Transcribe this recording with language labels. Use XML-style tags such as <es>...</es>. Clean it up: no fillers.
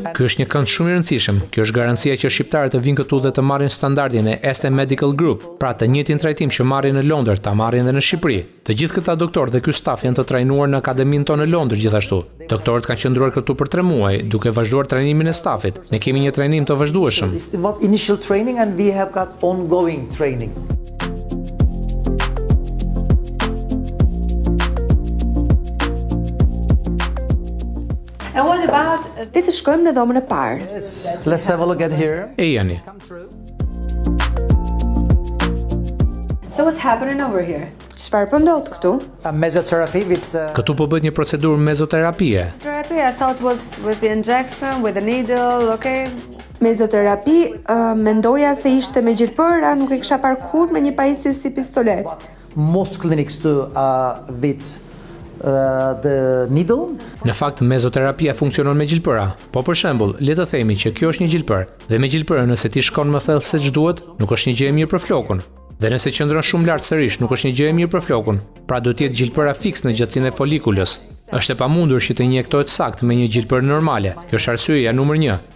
<sq>Ky është një kënd shumë i rëndësishëm. Kjo është garancia që shqiptarët të vinë këtu dhe të marrin standardin e Este Medical Group, pra të njëjtin trajtim që marrin në Londër, ta marrin edhe në Shqipëri. Të gjithë këta doktorë dhe ky staf janë të trajnuar në akademinë tonë në Londër gjithashtu. Doktorët kanë qëndruar këtu për 3 muaj duke vazhduar trajnimin e stafit. Ne kemi një trajnim të vazhdueshëm.</sq> <en>This was initial training and we have got ongoing training. And what about</en> <sq>le të shkojmë në dhomën e parë.</sq> <en>Yes, let's have a look at here.</en> <sq>E jani.</sq> <en>So what's happening over here?</en> <sq>Çfarë po ndodh këtu?</sq> <en>A mesoterapi with</en> <sq>këtu po bëhet një procedurë mesoterapie.</sq> <en>Therapy I thought was with the injection with a needle, okay?</en> <sq>Mesoterapi, mendoja se ishte me gjilpëra, nuk e kisha parë kur me një pajisje si pistolet.</sq> <en>Most clinics do with the needle.</en> <sq>Në fakt mezoterapia funksionon me gjilpëra. Po për shembull, le të themi që kjo është një gjilpër dhe me gjilpërën nëse ti shkon më thellë se ç'duhet, nuk është një gjë e mirë për flokun. Dhe nëse qëndron shumë lart sërish, nuk është një gjë e mirë për flokun. Pra duhet të jetë gjilpëra fikse në gjatësinë e folikulës. Është e pamundur që të injektohet sakt me një gjilpër normale. Kjo është arsyeja numër 1.</sq>